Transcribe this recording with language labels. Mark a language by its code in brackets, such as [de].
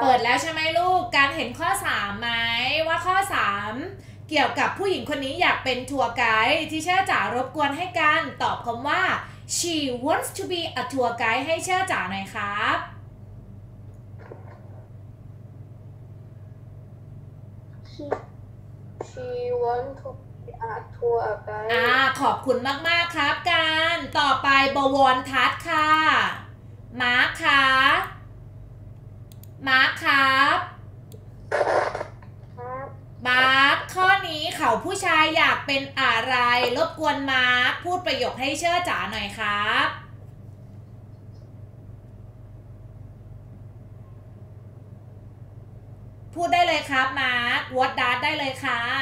[th] เปิดแล้วใช่ไหมลูกกันเห็นข้อ3มั้ยว่าข้อ3เกี่ยวกับผู้หญิงคนนี้อยากเป็นทัวร์ไกด์ที่เชื่อจ๋ารบกวนให้กันตอบคำว่า [en] she wants to be a tour guide [th] ให้เชื่อจ๋าหน่อยครับ [en] She want to be a tour guide. [th] ขอบคุณมากมากครับการต่อไปบวรทัศน์ค่ะมาร์คครับมาร์คครับมาร์คข้อนี้เขาผู้ชายอยากเป็นอะไรรบกวนมาร์คพูดประโยคให้เชื่อจ๋าหน่อยครับพูดได้เลยครับมาร์ค [en] What does [th] ได้เลยค่ะ